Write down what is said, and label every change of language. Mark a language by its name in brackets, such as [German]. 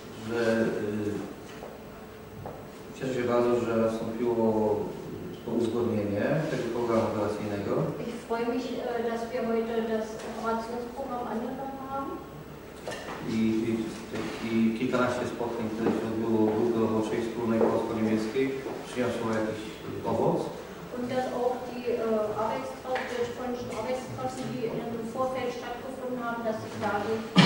[Polish] Że cieszę się bardzo, że nastąpiło to uzgodnienie tego programu operacyjnego. [German] Ich freue mich, dass wir heute das Operationsprogramm angenommen haben. [Polish] I kilkanaście spotkań, które się odbyło w grupie roboczej wspólnej polsko-niemieckiej, przyniosło jakiś owoc. [German] Und dass auch die Arbeitskräfte, die im Vorfeld stattgefunden haben, dass sich dadurch